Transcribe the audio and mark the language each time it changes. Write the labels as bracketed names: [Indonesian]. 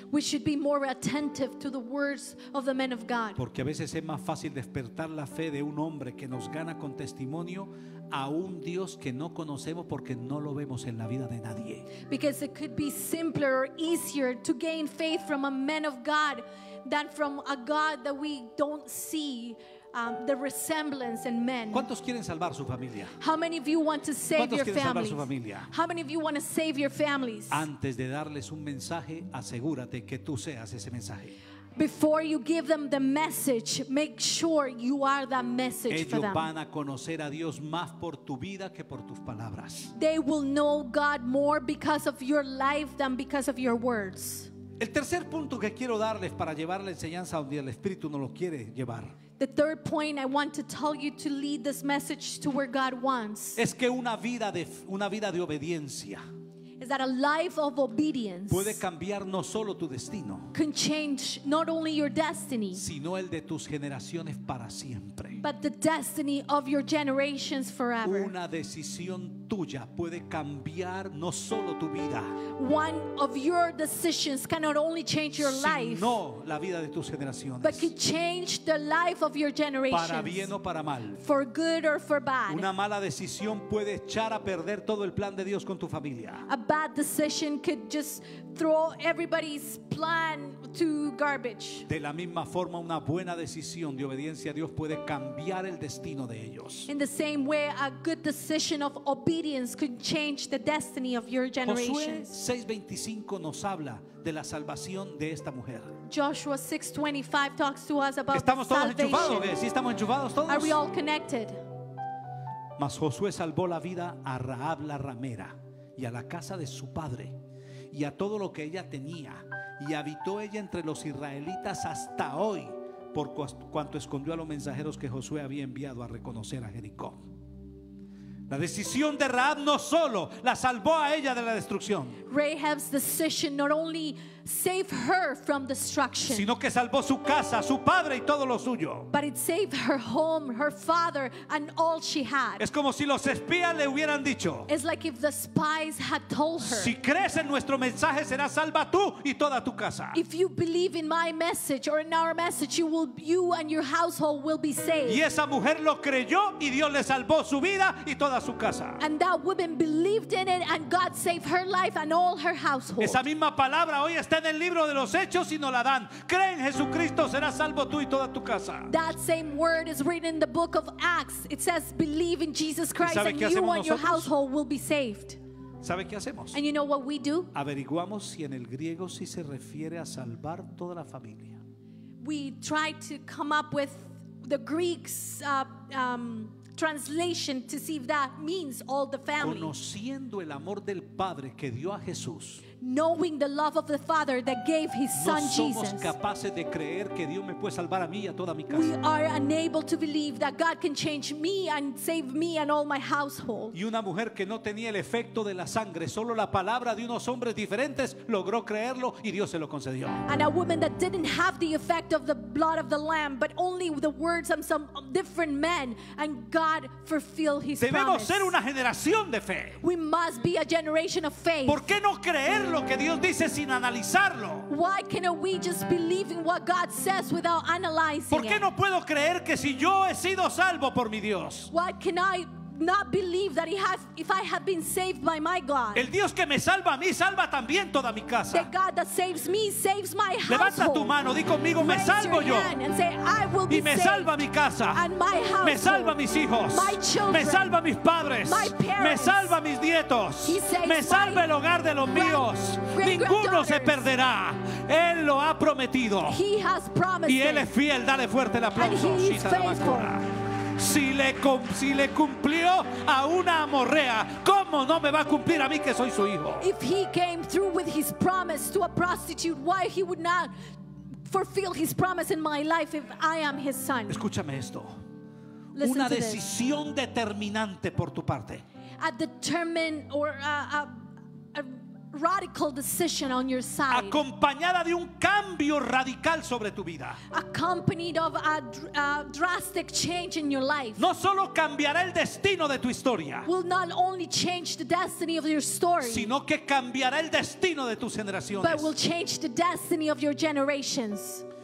[English] We should be more attentive to the words of the men of God. [Spanish] Porque a veces es más fácil despertar la fe de un hombre que nos gana con testimonio a un Dios que no conocemos porque no lo vemos en la vida de nadie. [English] Because it could be simpler or easier to gain faith from a man of God than from a God that we don't see the resemblance in men. [Spanish] ¿Cuántos quieren salvar su familia? [English] How many of you want to save your family? How many of you want to save your families? [Spanish] Antes de darles un mensaje, asegúrate que tú seas ese mensaje. [English] Before you give them the message, make sure you are that message [Spanish] ellos [English] for them. [Spanish] Van a conocer a Dios más por tu vida que por tus palabras. [English] They will know God more because of your life than because of your words. [Spanish] El tercer punto que quiero darles para llevar la enseñanza donde el Espíritu no lo quiere llevar. [English] The third point I want to tell you to lead this message to where God wants. [Spanish] Es que una vida de obediencia. [English] Is that a life of obedience [Spanish] puede cambiar no solo tu destino, [English] can change not only your destiny, [Spanish] sino el de tus generaciones para siempre, [English] but the destiny of your generations forever. [Spanish] Una decisión tuya puede cambiar no solo tu vida, [English] one of your decisions cannot only change your life, [Spanish] sino la vida de tus generaciones, [English] but can change the life of your generations, [Spanish] para bien o para mal, [English] for good or for bad. [Spanish] Una mala decisión puede echar a perder todo el plan de Dios con tu familia. [English] A bad decision could just throw everybody's plan to garbage. [Spanish] De la misma forma, una buena decisión de obediencia a Dios puede cambiar el destino de ellos. [English] In the same way, a good decision of obedience could change the destiny of your generation. [Spanish] Josué 6:25 nos habla de la salvación de esta mujer. [English] Joshua 6:25 talks to us about [Spanish] Estamos todos enchufados, ¿sí? Estamos enchufados todos. [English] Are we all connected? [Spanish] Mas Josué salvó la vida a Rahab la ramera y a la casa de su padre y a todo lo que ella tenía, y habitó ella entre los israelitas hasta hoy, por cuanto escondió a los mensajeros que Josué había enviado a reconocer a Jericó. La decisión de Rahab no solo la salvó a ella de la destrucción. [English] Rahab's decision not only saved her from destruction, [Spanish] sino que salvó su casa, su padre y todo lo suyo. [English] But it saved her home, her father, and all she had. [Spanish] Es como si los espías le hubieran dicho. [English] It's like if the spies had told her. [Spanish] Si crees en nuestro mensaje, serás salva tú y toda tu casa. [English] If you believe in my message or in our message, you and your household will be saved. [Spanish] Y esa mujer lo creyó y Dios le salvó su vida y toda su casa. [English] And that woman believed in it, and God saved her life and all her household. [Spanish] Esa misma palabra hoy está en el libro de los hechos y no la dan. Cree en Jesucristo, serás salvo tú y toda tu casa. [English] That same word is written in the book of Acts. It says believe in Jesus Christ and you and [Spanish] nosotros? [English] Your household will be saved. [Spanish] ¿Sabe qué hacemos? [English] And you know what we do? [Spanish] Averiguamos si en el griego sí se refiere a salvar toda la familia. [English] We try to come up with the Greek's translation to see if that means all the family. [Spanish] Conociendo el amor del Padre que dio a Jesús, [English] knowing the love of the Father that gave his son Jesus, [Spanish] capaces de creer que Dios me puede salvar a mí y a toda mi casa. [English] We are unable to believe that God can change me and save me and all my household. [Spanish] Y una mujer que no tenía el efecto de la sangre, solo la palabra de unos hombres diferentes, logró creerlo y Dios se lo concedió. [English] And a woman that didn't have the effect of the blood of the lamb, but only the words of some different men, and God fulfilled his [Spanish] debemos [English] promise. [Spanish] Ser una generación de fe. [English] We must be a generation of faith. [Spanish] ¿Por qué no creer lo que Dios dice sin analizarlo? [English] Why cannot we just believe in what God says without analyzing it? [Spanish] ¿Por qué no puedo creer que si yo he sido salvo por mi Dios? [English] Why can I not believe that he has, if I have been saved by my God. [Spanish] El Dios que me salva a mí salva también toda mi casa. [English] The God that saves me saves my household. [Spanish] Levanta tu mano, di conmigo, me salvo yo. [English] And say, I will be [Spanish] y me salva mi casa. [English] And my household. [Spanish] Me salva mis hijos. [English] My children. [Spanish] Me salva mis padres. [English] My parents. [Spanish] Me salva mis nietos. [English] He saves [Spanish] me salva el hogar de los míos. Ninguno se perderá. Él lo ha prometido. [English] He has promised. [Spanish] Y él es fiel. Dale fuerte el aplauso. [English] And he is faithful. [Spanish] Si le cumplió a una amorrea, ¿cómo no me va a cumplir a mí que soy su hijo? [English] If he came through with his promise to a prostitute, why he would not fulfill his promise in my life if I am his son? [Spanish] Escúchame esto. [English] Listen, [Spanish] una decisión determinante por tu parte. [English] A determined or a radical decision on your side. [Spanish] Acompañada de un cambio radical sobre tu vida. [English] Accompanied of a drastic change in your life. [Spanish] No solo cambiará el destino de tu historia. [English] Will not only change the destiny of your story. [Spanish] Sino que cambiará el destino de tus generaciones. [English] But will change the destiny of your generations.